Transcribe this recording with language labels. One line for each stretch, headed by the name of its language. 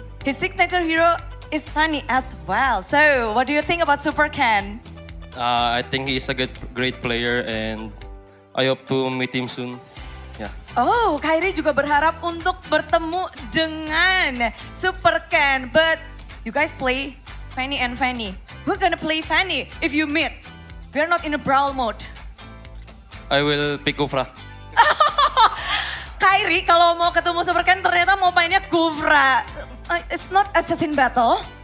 English: His signature hero is funny as well. So, what do you think about Super Ken? I think he's a great player and I hope to meet him soon. Yeah.
Indonesian: Oh, Kyrie juga berharap untuk bertemu dengan Super Ken.
English: But you guys play Fanny and Fanny. We're gonna play Fanny if you meet. We're not in a brawl mode. I will pick Kufra.
Indonesian: Kyrie kalau mau ketemu Super Ken ternyata mau mainnya Kufra.
English: It's not assassin battle.